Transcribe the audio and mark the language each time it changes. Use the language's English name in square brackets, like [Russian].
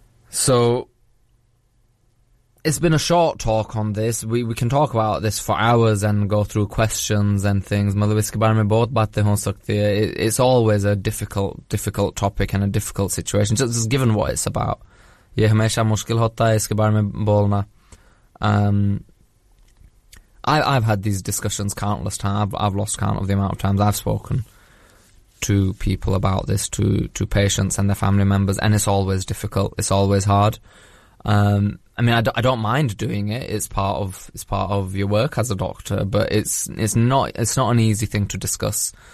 [English] So it's been a short talk on this. We can talk about this for hours and go through questions and things. It's always a difficult topic and a difficult situation, just given what it's about. [Hindi] ये हमेशा मुश्किल होता है इसके बारे में बोलना. [English] I've had these discussions countless times. I've lost count of the amount of times I've spoken to people about this, to patients and their family members, and it's always difficult. It's always hard. I mean, I don't mind doing it. It's part of your work as a doctor, but it's not an easy thing to discuss.